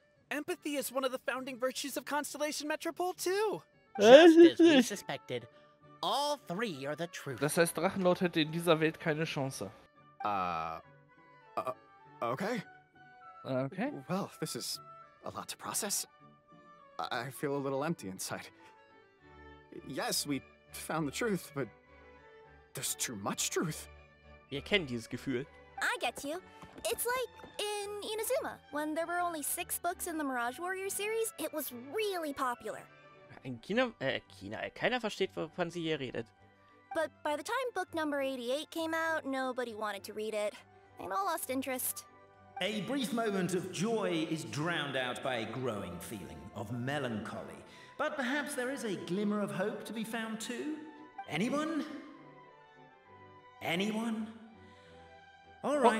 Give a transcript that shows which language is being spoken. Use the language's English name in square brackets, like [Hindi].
[English] Empathy is one of the founding virtues of Constellation Metropole 2. Just as we suspected. All three are the truth. [German] Das heißt, Drachenlord hätte in dieser Welt keine Chance. Okay. Okay. [English] Well, this is a lot to process. I feel a little empty inside. Yes, we found the truth, but there's too much truth. [German] Wir kennen dieses Gefühl. [English] I get you. It's like in Inazuma, when there were only 6 books in the Mirage Warrior series, it was really popular. [German] In China, keiner versteht, wovon sie hier redet. [English] But by the time book number 88 came out, nobody wanted to read it. They all lost interest. A brief moment of joy is drowned out by a growing feeling of melancholy. But perhaps there is a glimmer of hope to be found too? Anyone? Anyone? All right,